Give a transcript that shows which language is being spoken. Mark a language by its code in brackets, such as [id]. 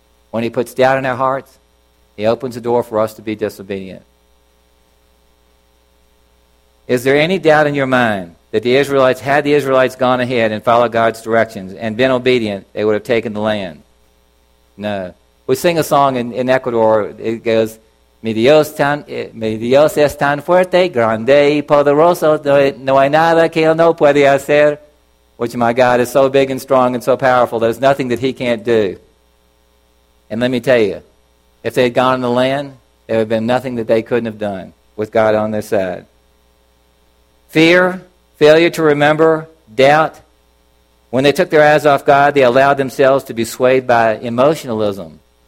[en] When he puts doubt in our hearts, he opens the door for us to be disobedient. Is there any doubt in your mind that had the Israelites gone ahead and followed God's directions and been obedient, they would have taken the land? No. We sing a song in Ecuador. It goes, [es] Mi Dios es tan fuerte, grande y poderoso, no hay nada que él no puede hacer. [en] Which, my God is so big and strong and so powerful, there's nothing that he can't do. And let me tell you, if they had gone in the land, there would have been nothing that they couldn't have done with God on their side. Fear, failure to remember, doubt. When they took their eyes off God, they allowed themselves to be swayed by emotionalism.